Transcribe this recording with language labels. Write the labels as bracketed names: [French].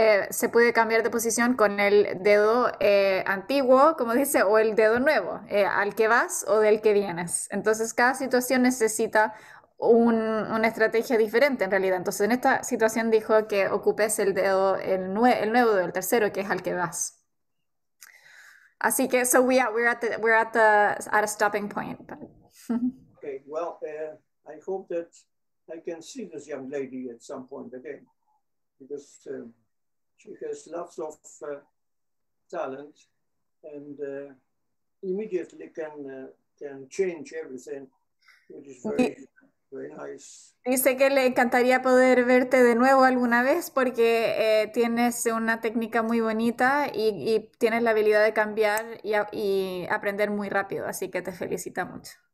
[Spanish] Se puede cambiar de posición con el dedo antiguo, como dice, o el dedo nuevo, al que vas o del que vienes. Entonces, cada situación necesita una estrategia diferente en realidad. Entonces, en esta situación dijo que ocupes el dedo, el nuevo dedo, el tercero, que es al que vas. Así que, [English] so we're at a stopping point. But... Okay, well, I hope that I can see this young lady at some point again, because she has lots of talent and immediately can change everything, which is very... Very nice. [Spanish] Dice que le encantaría poder verte de nuevo alguna vez porque tienes una técnica muy bonita y tienes la habilidad de cambiar y aprender muy rápido, así que te felicita mucho.